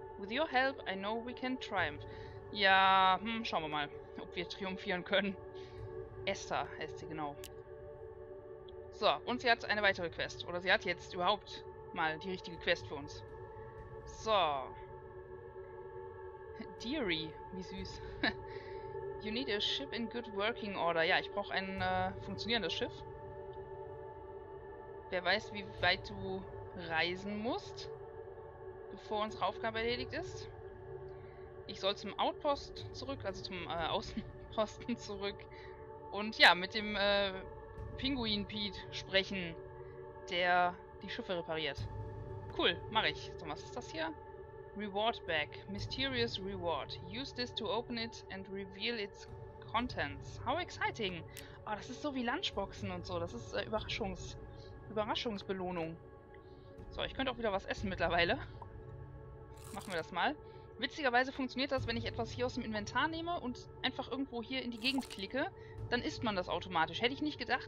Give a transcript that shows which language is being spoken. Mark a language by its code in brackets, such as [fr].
[en] With your help, I know we can triumph. [de] Ja, schauen wir mal, ob wir triumphieren können. Esther heißt sie, genau. So, und sie hat eine weitere Quest. Oder sie hat jetzt überhaupt mal die richtige Quest für uns. So. Deary, wie süß. [en] You need a ship in good working order. [de] Ja, ich brauche ein funktionierendes Schiff. Wer weiß, wie weit du reisen musst, bevor unsere Aufgabe erledigt ist. Ich soll zum Outpost zurück, also zum Außenposten zurück. Und ja, mit dem Pinguin Pete sprechen, der die Schiffe repariert. Cool, mache ich. So, was ist das hier? Reward Bag. Mysterious Reward. [en] Use this to open it and reveal its contents. How exciting! [de] Oh, das ist so wie Lunchboxen und so. Das ist Überraschungsbelohnung. So, ich könnte auch wieder was essen mittlerweile. Machen wir das mal. Witzigerweise funktioniert das, wenn ich etwas hier aus dem Inventar nehme und einfach irgendwo hier in die Gegend klicke, dann isst man das automatisch. Hätte ich nicht gedacht.